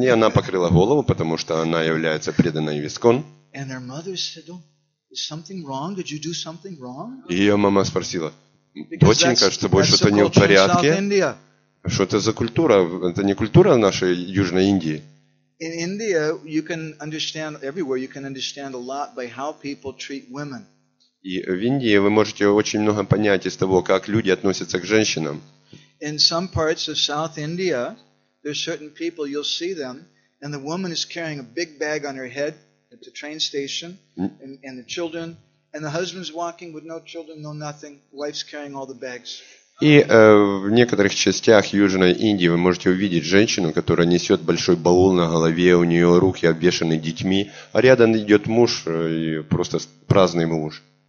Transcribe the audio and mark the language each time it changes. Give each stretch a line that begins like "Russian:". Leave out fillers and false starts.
Russian: И она покрыла голову, потому что она является преданной в ИСККОН.
English: And her mother said, "Oh, is something wrong? Did you do something wrong?"
Russian: И ее мама спросила: "Доченька, что больше что-то не в порядке? Что это за культура? Это не культура нашей Южной Индии?"
English: In India, you can understand everywhere. You can understand a lot by how people treat women.
Russian: И в Индии вы можете очень много понять из того, как люди относятся к женщинам.
English: In some parts of South India, there are certain people you'll see them, and the woman is carrying a big bag on her head at the train station, and the children, and the husband's walking with no children, no nothing. Wife's carrying all the bags.
Russian: И в некоторых частях Южной Индии вы можете увидеть женщину, которая несет большой баул на голове, у нее руки обвешаны детьми, а рядом идет муж, и просто праздный муж.